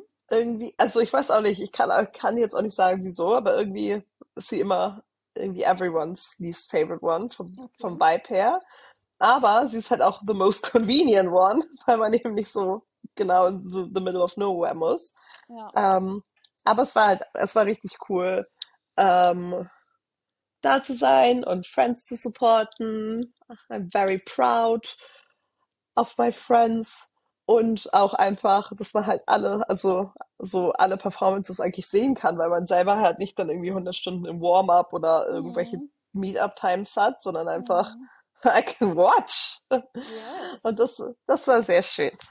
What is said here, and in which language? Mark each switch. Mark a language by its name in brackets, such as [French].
[German] Irgendwie, also ich weiß auch nicht, ich kann jetzt auch nicht sagen, wieso, aber irgendwie ist sie immer irgendwie [English] everyone's least favorite one [German] vom Vibe her. Aber sie ist halt auch [English] the most convenient one, [German] weil man eben nicht so genau [English] in the middle of nowhere [German] muss. Aber es war richtig cool, da zu sein und Friends zu supporten. [English] I'm very proud of my friends. [German] Und auch einfach, dass man halt alle Performances eigentlich sehen kann, weil man selber halt nicht dann irgendwie 100 Stunden im Warm-up oder irgendwelche Meet-up-Times hat, sondern einfach, [English] I can watch. [German] Und das war sehr schön.